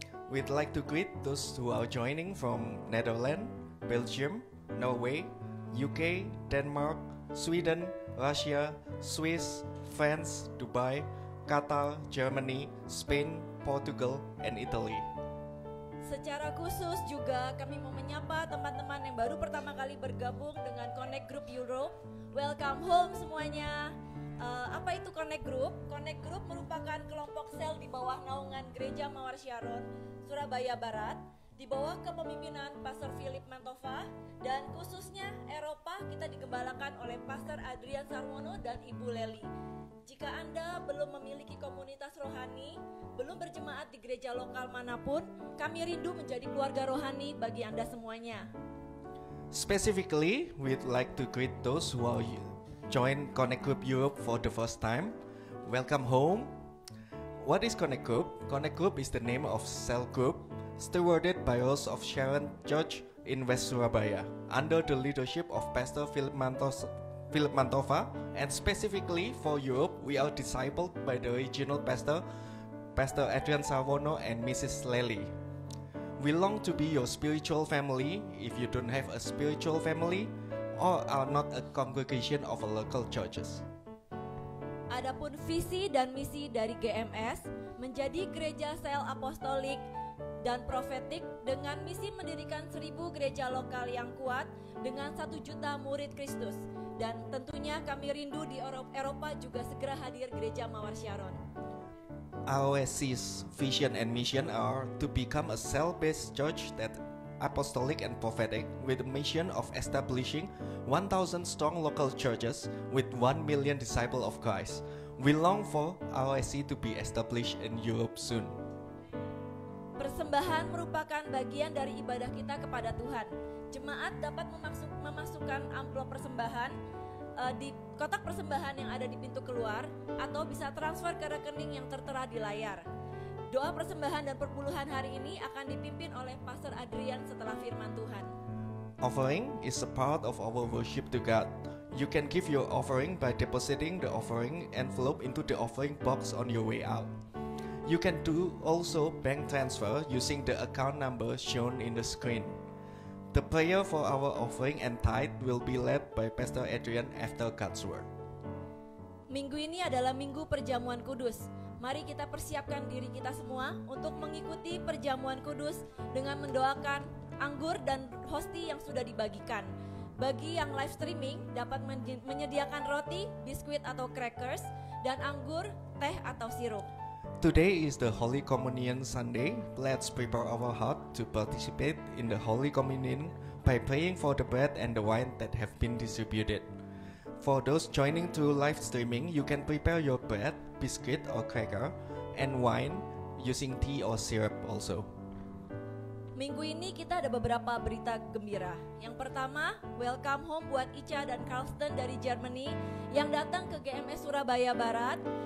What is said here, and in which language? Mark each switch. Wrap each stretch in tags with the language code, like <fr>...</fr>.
<en>We'd like to greet those who are joining from Netherlands, Belgium, Norway, UK, Denmark, Sweden, Russia, Swiss, France, Dubai, Qatar, Germany, Spain, Portugal, and Italy.</en> <id>Secara khusus juga kami mau menyapa teman-teman yang baru pertama kali bergabung dengan Connect Group Europe.</id> <en>Welcome home</en> <id>semuanya. Apa itu Connect Group? Connect Group merupakan kelompok sel di bawah naungan Gereja Mawar Sharon, Surabaya Barat, di bawah kepemimpinan Pastor Philip Mantova, dan khususnya Eropa kita digembalakan oleh Pastor Adrian Sarmono dan Ibu Leli. Jika Anda belum memiliki komunitas rohani, belum berjemaat di gereja lokal manapun, kami rindu menjadi keluarga rohani bagi Anda semuanya.</id> <en>Specifically, we'd like to greet those who are join Connect Group Europe for the first time. Welcome home. What is Connect Group? Connect Group is the name of cell group stewarded by us of Sharon Church in West Surabaya under the leadership of Pastor Philip Mantova, and specifically for Europe, we are discipled by the regional pastor, Pastor Adrian Savono and Mrs. Lely. We long to be your spiritual family. If you don't have a spiritual family, or are not a congregation of a local churches.</en> <id>Adapun visi dan misi dari GMS menjadi gereja sel apostolik dan profetik dengan misi mendirikan 1,000 gereja lokal yang kuat dengan 1 juta murid Kristus. Dan tentunya kami rindu di Eropa juga segera hadir gereja Mawar Sharon.</id> <en>AOSC's vision and mission are to become a cell-based church that apostolic and prophetic with the mission of establishing 1,000 strong local churches with 1 million disciples of Christ. We long for AOSC to be established in Europe soon.</en> <id>Persembahan merupakan bagian dari ibadah kita kepada Tuhan. Jemaat dapat memasukkan amplop persembahan di kotak persembahan yang ada di pintu keluar atau bisa transfer ke rekening yang tertera di layar. Doa persembahan dan perpuluhan hari ini akan dipimpin oleh Pastor Adrian setelah firman Tuhan.</id> <en>Offering is a part of our worship to God. You can give your offering by depositing the offering envelope into the offering box on your way out. You can do also bank transfer using the account number shown in the screen. The prayer for our offering and tithe will be led by Pastor Adrian after God's word.</en> <id>Minggu ini adalah Minggu Perjamuan Kudus. Mari kita persiapkan diri kita semua untuk mengikuti Perjamuan Kudus dengan mendoakan anggur dan hosti yang sudah dibagikan. Bagi yang live streaming dapat menyediakan roti, biskuit atau crackers, dan anggur, teh atau sirup.</id> <en>Today is the Holy Communion Sunday. Let's prepare our heart to participate in the Holy Communion by praying for the bread and the wine that have been distributed. For those joining through live streaming, you can prepare your bread, biscuit or cracker, and wine using tea or syrup also.</en> <id>Minggu ini kita ada beberapa berita gembira. Yang pertama,</id> <en>welcome home</en> <id>buat Ica dan Carlsten dari Germany yang datang ke GMS Surabaya Barat.</id>